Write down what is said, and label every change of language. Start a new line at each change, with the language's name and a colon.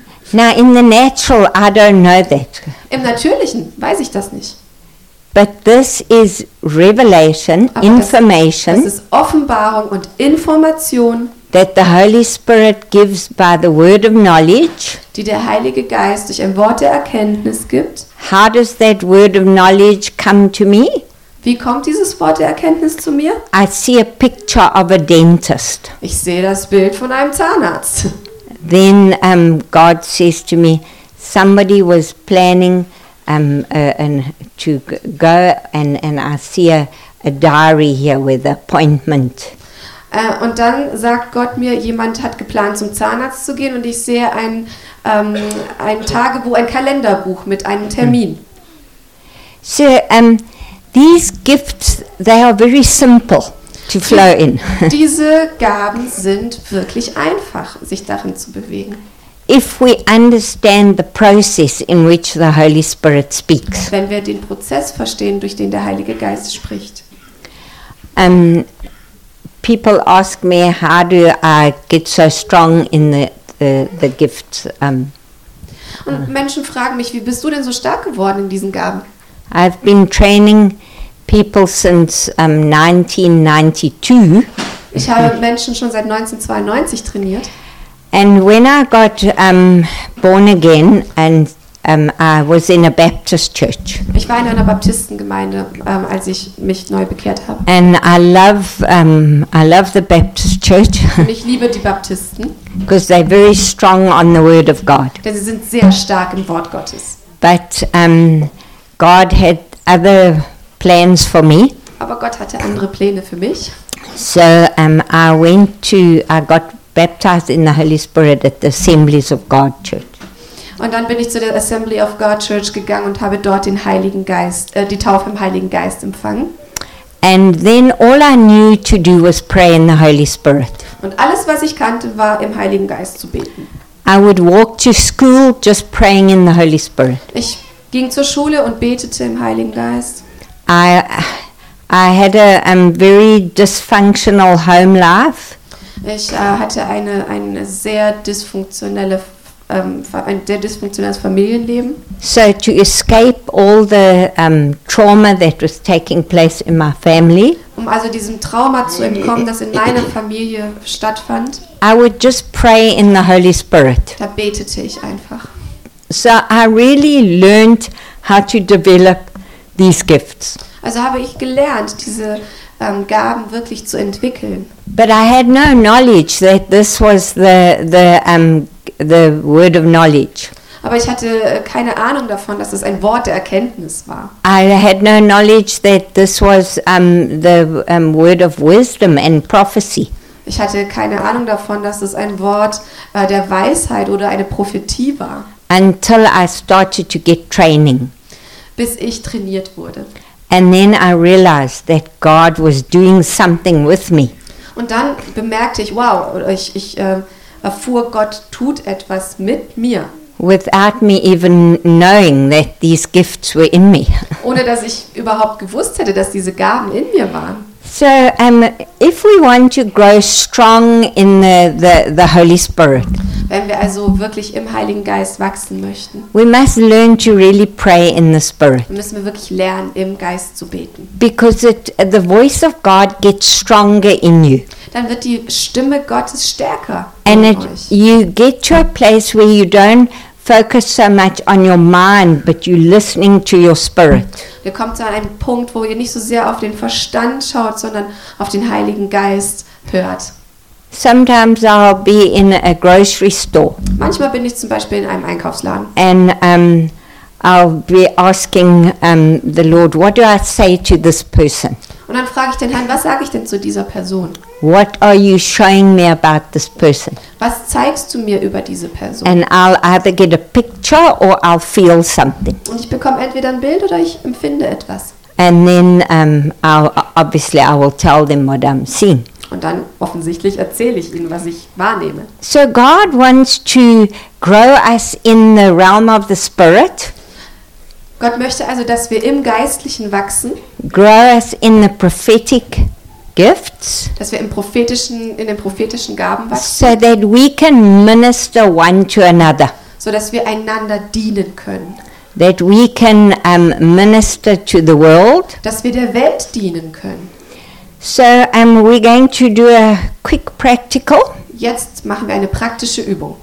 English: Now in the natural, I don't know that.
German: Im Natürlichen weiß ich das nicht.
English: But this is revelation,
German: aber
English: information.
German: Das ist Offenbarung und Information.
English: That the Holy Spirit gives by the word of knowledge.
German: Die der Heilige Geist durch ein Wort der Erkenntnis gibt.
English: How does that word of knowledge come to me?
German: Wie kommt dieses Wort der Erkenntnis zu mir?
English: I see a picture of a dentist.
German: Ich sehe das Bild von einem Zahnarzt.
English: Then God says to me, somebody was planning. And I see a diary here with appointment.
German: Und dann sagt Gott mir, jemand hat geplant, zum Zahnarzt zu gehen, und ich sehe ein Tagebuch, ein Kalenderbuch mit einem Termin.
English: So, these gifts, they are very simple to flow in.
German: Diese Gaben sind wirklich einfach, sich darin zu bewegen.
English: If we understand the process in which the Holy Spirit speaks.
German: Wenn wir den Prozess verstehen, durch den der Heilige Geist spricht.
English: People ask me, how do I get so strong in the gifts?
German: Und Menschen fragen mich, wie bist du denn so stark geworden in diesen Gaben?
English: I've been training people since 1992.
German: Ich habe Menschen schon seit 1992 trainiert.
English: And when I got born again, and I was in a Baptist church.
German: Ich war in einer Baptistengemeinde, als ich mich neu bekehrt habe.
English: And I love the Baptist church.
German: Und ich liebe die Baptisten.
English: Because they're very strong on the Word of God.
German: Denn sie sind sehr stark im Wort Gottes.
English: But God had other plans for me.
German: Aber Gott hatte andere Pläne für mich.
English: So I got baptized in the Holy Spirit at the Assemblies of God Church.
German: Und dann bin ich zu der Assembly of God Church gegangen und habe dort den Heiligen Geist, die Taufe im Heiligen Geist empfangen.
English: And then all I knew to do was pray in the Holy Spirit.
German: Und alles, was ich kannte, war im Heiligen Geist zu beten.
English: I would walk to school just praying in the Holy Spirit.
German: Ich ging zur Schule und betete im Heiligen Geist.
English: I had a very dysfunctional home life.
German: Ich hatte eine sehr dysfunktionelle der Dysfunktion des Familienleben.
English: So to escape all the trauma that was taking place in my family.
German: Um also diesem Trauma zu entkommen, das in meiner Familie stattfand.
English: I would just pray in the Holy Spirit.
German: Da betete ich einfach.
English: So I really learned how to develop these gifts.
German: Also habe ich gelernt, diese Gaben wirklich zu entwickeln.
English: But I had no knowledge that this was the word of knowledge.
German: Aber ich hatte keine Ahnung davon, dass es ein Wort der Erkenntnis war.
English: I had no knowledge that this was the word of wisdom and prophecy.
German: Ich hatte keine Ahnung davon, dass es ein Wort der Weisheit oder eine Prophetie war.
English: Until I started to get training.
German: Bis ich trainiert wurde.
English: And then I realized that God was doing something with me.
German: Und dann bemerkte ich, wow, ich erfuhr, Gott tut etwas mit mir.
English: Without me even knowing that these gifts were in me.
German: Ohne dass ich überhaupt gewusst hätte, dass diese Gaben in mir waren.
English: So, if we want to grow strong in the Holy Spirit.
German: Wenn wir also wirklich im Heiligen Geist wachsen möchten.
English: We must learn to really pray in the Spirit.
German: Müssen wir wirklich lernen, im Geist zu beten.
English: Because the voice of God gets stronger in you.
German: Dann wird die Stimme Gottes stärker.
English: And you get to a place where you don't focus so much on your mind, but you're listening to your spirit.
German: Wir kommen zu einem Punkt, wo ihr nicht so sehr auf den Verstand schaut, sondern auf den Heiligen Geist hört.
English: Sometimes I'll be in a grocery store.
German: Manchmal bin ich zum Beispiel in einem Einkaufsladen.
English: And I'll be asking the Lord, what do I say to this person?
German: Und dann frage ich den Herrn, was sage ich denn zu dieser Person?
English: What are you showing me about this person?
German: Was zeigst du mir über diese Person?
English: And I'll either get a picture or I'll feel something.
German: Und ich bekomme entweder ein Bild oder ich empfinde etwas.
English: And then obviously I will tell them what I'm seeing.
German: Und dann offensichtlich erzähle ich ihnen, was ich wahrnehme.
English: So God wants to grow us in the realm of the spirit.
German: Gott möchte also, dass wir im Geistlichen wachsen.
English: Grow us in the prophetic gifts.
German: Dass wir im prophetischen, in den prophetischen Gaben wachsen.
English: So that we can minister one to another.
German: So dass wir einander dienen können.
English: That we can minister to the world.
German: Dass wir der Welt dienen können.
English: So we're going to do a quick practical.
German: Jetzt machen wir eine praktische Übung.